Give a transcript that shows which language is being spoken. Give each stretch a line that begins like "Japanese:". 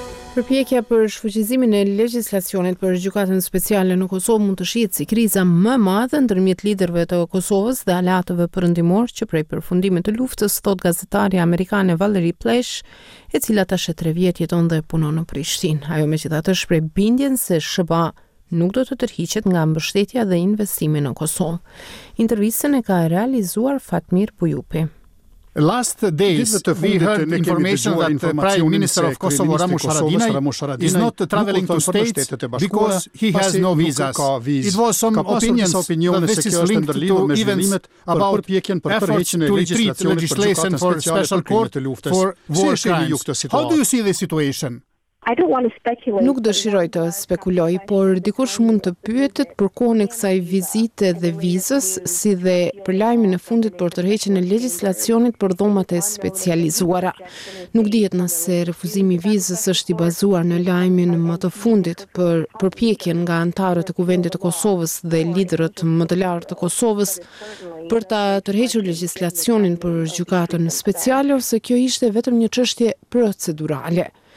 Albanian: Përpjekja për shfuqizimin e legjislacionit për gjykatën speciale në Kosovë mund të shihet si kriza më madhe ndërmjet liderëve të Kosovës dhe aleatëve përëndimor që prej përfundimit të luftës, thot gazetarja amerikane Valerie Plesh, e cila tash e 3 vjet jeton dhe punon në Prishtinë. Ajo megjithatë shpreh bindjen se SBA nuk do të tërhiqet nga mbështetja dhe investimi në Kosovë. Intervistën e ka realizuar Fatmir Bujupi.
English: Last days, we heard information that the Prime Minister of Kosovo, Ramush Haradinaj, is not traveling to states because he has no visas. It was some opinions that this is linked to events about efforts to retreat legislation for special court for war crimes. How do you see the situation? I don't want to speculate.
Albanian: Nuk dëshiroj të spekuloj, por dikush mund të pyetet për kohën e kësaj vizite dhe vizës, si dhe për lajmin e fundit për tërheqjen e legjislacionit për dhomat e specializuara. Nuk dihet nëse refuzimi i vizës është i bazuar në lajmin më të fundit për përpjekjen nga anëtarët e Kuvendit të Kosovës dhe liderët më të lartë të Kosovës për ta tërhequr legjislacionin për gjykatën speciale ose kjo ishte vetëm një çështje procedurale.